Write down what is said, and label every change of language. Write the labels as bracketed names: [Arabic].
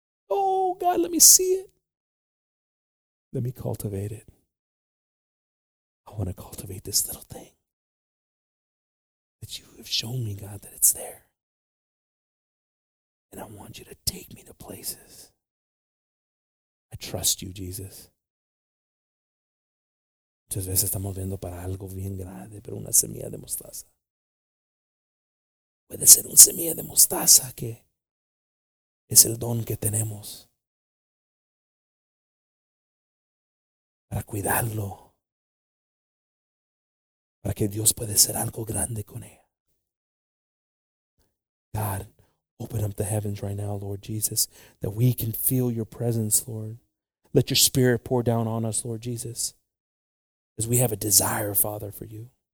[English] Oh, God, let me see it. Let me cultivate it. I want to cultivate this little thing that you have shown me, God, that it's there. And I want you to take me to places. I trust you, Jesus. [Spanish] Muchas veces estamos viendo para algo bien grande, pero una semilla de mostaza. Puede ser una semilla de mostaza que es el don que tenemos para cuidarlo, para que Dios puede ser algo grande con ella. [English] God, open up the heavens right now, Lord Jesus, that we can feel your presence, Lord. Let your spirit pour down on us, Lord Jesus. Because we have a desire, Father, for you.